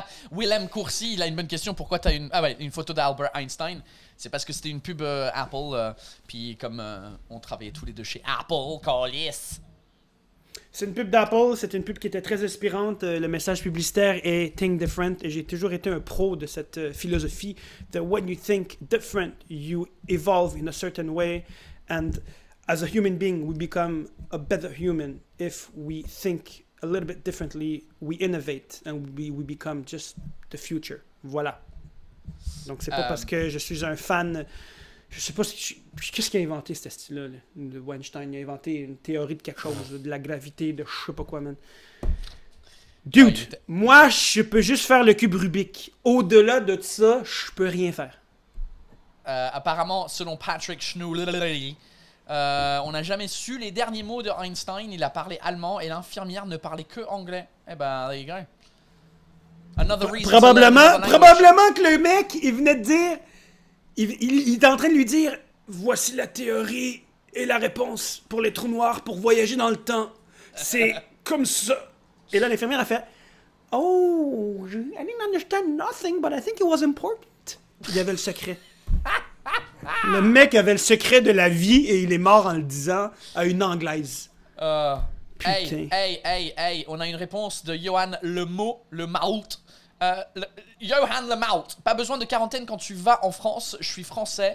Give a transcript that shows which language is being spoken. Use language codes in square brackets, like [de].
[fr] Willem Courcy, il a une bonne question. Pourquoi t'as une photo d'Albert Einstein? C'est parce que c'était une pub Apple. Puis comme on travaillait tous les deux chez Apple, calice. C'est une pub d'Apple. C'est une pub qui était très inspirante. Le message publicitaire est Think Different. Et j'ai toujours été un pro de cette philosophie. [en] That when you think different, you evolve in a certain way. And as a human being, we become a better human. If we think a little bit differently, we innovate. And we become just the future. Voilà. [fr] Donc, c'est pas parce que je suis un fan... Je sais pas qu'est-ce qu'il a inventé, ce style-là, de Weinstein. Il a inventé une théorie de quelque chose, de la gravité, de je sais pas quoi, man. Dude, moi, je peux juste faire le cube Rubik. Au-delà de ça, je peux rien faire. Apparemment, selon Patrick Schnull, on n'a jamais su les derniers mots de Einstein. Il a parlé allemand et l'infirmière ne parlait que anglais. [en] Eh ben, there you go. Another reason. [fr] Probablement que le mec, il venait de dire... Il est en train de lui dire « Voici la théorie Et la réponse pour les trous noirs, pour voyager dans le temps, c'est comme ça. Et là, l'infirmière a fait, [en] I didn't understand nothing, but I think it was important. [fr] Il avait le secret. Le mec avait le secret de la vie et il est mort en le disant à une Anglaise. Putain. Hey, on a une réponse de Johan Lemot, le Malt. Johan Lemot, pas besoin de quarantaine quand tu vas en France, je suis français.